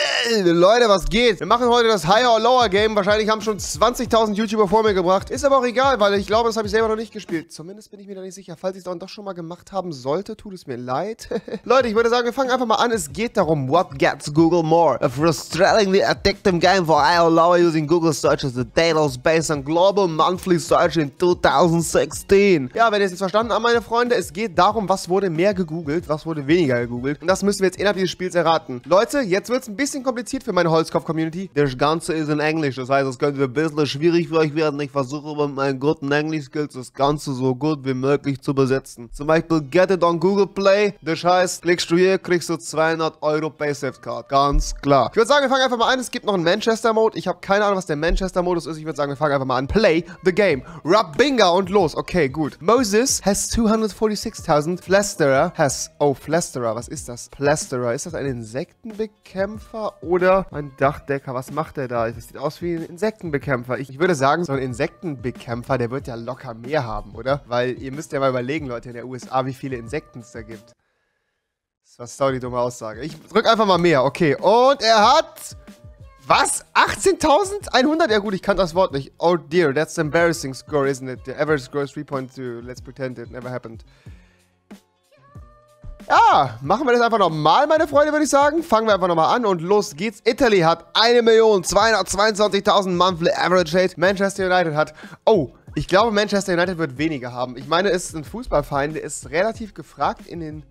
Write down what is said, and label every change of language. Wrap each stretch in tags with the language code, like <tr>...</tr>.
<de>Leute, was geht? Wir machen heute das Higher or Lower Game. Wahrscheinlich haben schon 20.000 YouTuber vor mir gebracht. Ist aber auch egal, weil ich glaube, das habe ich selber noch nicht gespielt. Zumindest bin ich mir da nicht sicher. Falls ich es dann doch schon mal gemacht haben sollte, tut es mir leid. Leute, ich würde sagen, wir fangen einfach mal an. Es geht darum,</de> <en>what gets Google more? A frustratingly addictive game for Higher or Lower using Google Search as the data based on global monthly search in 2016.</en> <de>Ja, wenn ihr es jetzt verstanden habt, meine Freunde, es geht darum, was wurde mehr gegoogelt, was wurde weniger gegoogelt. Und das müssen wir jetzt innerhalb dieses Spiels erraten. Leute, jetzt wird es ein bisschen kompliziert für meine Holzkopf-Community. Das Ganze ist in Englisch, das heißt, es könnte ein bisschen schwierig für euch werden. Ich versuche mit meinen guten Englisch-Skills das Ganze so gut wie möglich zu besetzen. Zum Beispiel,</de> <en>get it on Google Play.</en> <de>Das heißt, klickst du hier, kriegst du 200 Euro Paysafecard. Ganz klar. Ich würde sagen, wir fangen einfach mal an. Es gibt noch einen Manchester-Mode. Ich habe keine Ahnung, was der Manchester-Modus ist. Ich würde sagen, wir fangen einfach mal an.</de> <en>Play the game.</en> <de>Rub Binga und los. Okay, gut.</de> <en>Moses has 246.000. Flesterer has...</en> <de>Oh, Flesterer. Was ist das? Flesterer. Ist das ein Insektenbekämpfer oder... Oder ein Dachdecker, was macht der da? Das sieht aus wie ein Insektenbekämpfer. Ich würde sagen, so ein Insektenbekämpfer, der wird ja locker mehr haben, oder? Weil ihr müsst ja mal überlegen, Leute, in der USA, wie viele Insekten es da gibt. Das ist die dumme Aussage. Ich drück einfach mal mehr, okay. Und er hat... Was? 18.100? Ja gut, ich kann das Wort nicht.</de> <en>Oh dear, that's an embarrassing score, isn't it? The average score is 3.2. Let's pretend it never happened.</en> <de>Ja, machen wir das einfach nochmal, meine Freunde, würde ich sagen. Fangen wir einfach nochmal an und los geht's. Italy hat 1.222.000 Monthly Average Rate. Manchester United hat... Oh, ich glaube, Manchester United wird weniger haben. Ich meine, es ist ein Fußballverein, der ist relativ gefragt in den...</de>